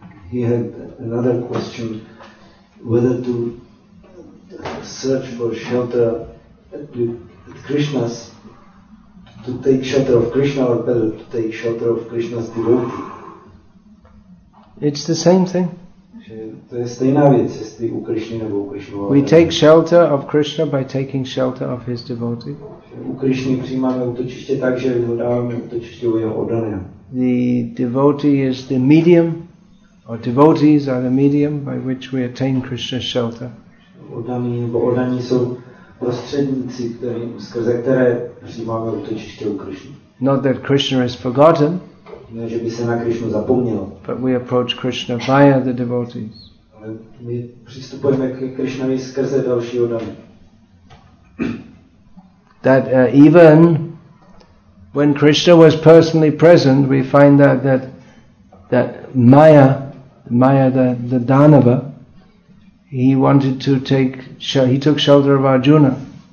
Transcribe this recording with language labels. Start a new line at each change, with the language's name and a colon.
English: He had another question, whether to search for shelter at Krishna's, to take shelter of Krishna, or better, to take shelter of Krishna's devotee. It's the same thing.
Czech: To je stejná věc, jestli u Krishny nebo u Krishna.
English: We take shelter of Krishna by taking shelter of his devotee.
Czech: U Krishny přijímáme útočiště tak, že ho dáváme útočiště u jeho oddaného.
English: The devotee is the medium, or devotees are the medium by which we attain Krishna's shelter.
Czech: Oddaní nebo oddaní jsou prostředníci, skrze které přijímáme útočiště u Krishny.
English: Not that Krishna is forgotten.
Czech: Ne, že by se na Krishnu zapomněl.
English: But we approach Krishna via the devotees.
Czech: Ale my přistupujeme k Krishnovi skrze další oddaní.
English: That even when Krishna was personally present, we find that Maya, the Danava, he wanted to take, he took shelter of Arjuna.